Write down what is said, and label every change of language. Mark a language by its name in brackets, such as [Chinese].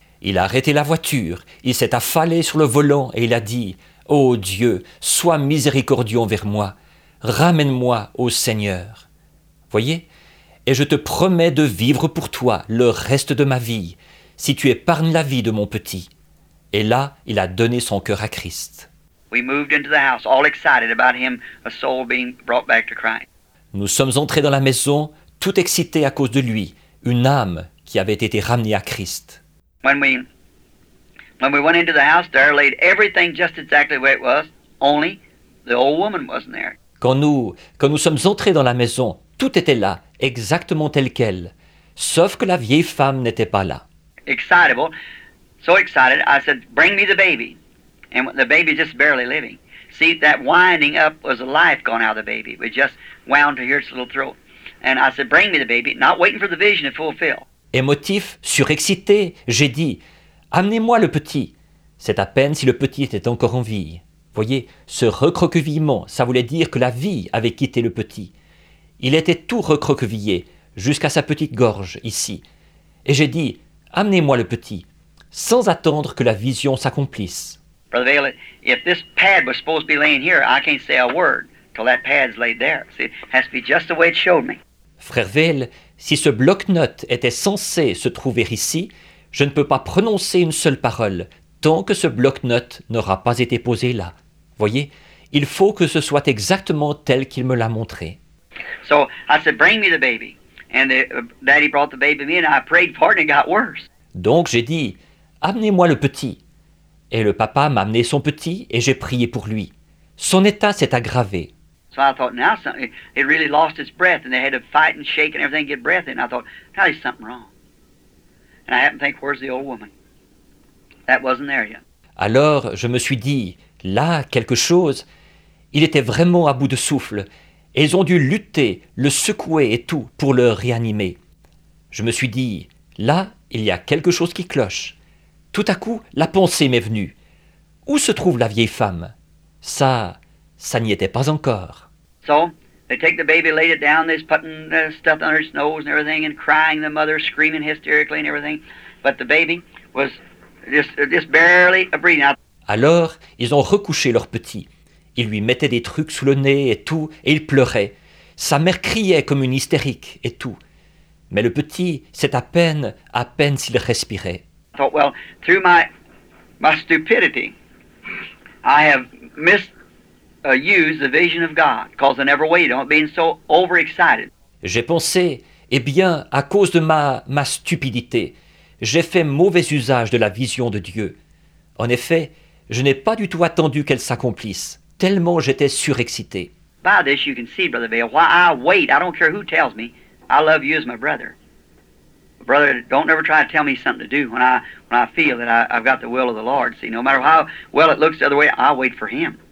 [French] Il a arrêté la voiture, il s'est affalé sur le volant et il a dit, ô Dieu, sois miséricordieux envers moi. Ramène-moi au Seigneur. Voyez, et je te promets de vivre pour toi le reste de ma vie, si tu épargnes la vie de mon petit. Et là, il a donné son cœur à Christ. [English] We moved into the house, all excited about him, a soul being brought back to Christ. [French] Nous sommes entrés dans la maison, tout excités à cause de lui, une âme qui avait été ramenée à Christ. [English] When we went into the house, there laid everything just exactly where it was, only the old woman wasn't there. [French] Quand nous sommes entrés dans la maison, tout était là, exactement tel quel, sauf que la vieille femme n'était pas là. [English] Excitable, so excited, I said, bring me the baby. And the baby just barely living. See, that winding up was the life gone out of the baby. It was just wound to hear its little throat. And I said, bring me the baby, not waiting for the vision to fulfill. [French] Émotif, surexcité, j'ai dit, amenez-moi le petit. C'est à peine si le petit était encore en vie. Voyez, ce recroquevillement, ça voulait dire que la vie avait quitté le petit. Il était tout recroquevillé, jusqu'à sa petite gorge, ici. Et j'ai dit, amenez-moi le petit, sans attendre que la vision s'accomplisse. [English] Brother Vail, if this pad was supposed to be laying here, I can't say a word till that pad's laid there. See, it has to be just the way it showed me. [French] Frère Vail, si ce bloc-notes était censé se trouver ici, je ne peux pas prononcer une seule parole tant que ce bloc-notes n'aura pas été posé là. Voyez, il faut que ce soit exactement tel qu'il me l'a montré. [English] So I said, bring me the baby. And daddy brought the baby in, and I prayed for it and it got worse. [French] Donc j'ai dit, amenez-moi le petit. Et le papa m'a amené son petit et j'ai prié pour lui. Son état s'est aggravé. [English] So I thought, now it really lost its breath and they had to fight and shake and everything to get breath in. I thought, now there's something wrong. And I happened to think, where's the old woman? That wasn't there yet. [French] Alors je me suis dit, là, quelque chose. Il était vraiment à bout de souffle. Et ils ont dû lutter, le secouer et tout pour le réanimer. Je me suis dit, là, il y a quelque chose qui cloche. Tout à coup, la pensée m'est venue. Où se trouve la vieille femme? Ça n'y était pas encore. [English] So, they take the baby, laid it down, they're putting the stuff under its nose and everything, and crying, the mother screaming hysterically and everything. But the baby was just barely breathing out. [French] Alors, ils ont recouché leur petit. Ils lui mettaient des trucs sous le nez et tout, et il pleurait. Sa mère criait comme une hystérique et tout. Mais le petit, c'est à peine s'il respirait. [English] I thought, well, through my stupidity, I have misused the vision of God, because I never waited on being so overexcited. [French] J'ai pensé, eh bien, à cause de ma stupidité, j'ai fait mauvais usage de la vision de Dieu. En effet, je n'ai pas du tout attendu qu'elle s'accomplisse, tellement j'étais surexcité. [English] By this, you can see, Brother Vail, why I wait. I don't care who tells me. I love you as my brother. Brother, don't ever try to tell me something to do when I feel that I've got the will of the Lord. See, no matter how well it looks the other way, I wait for him.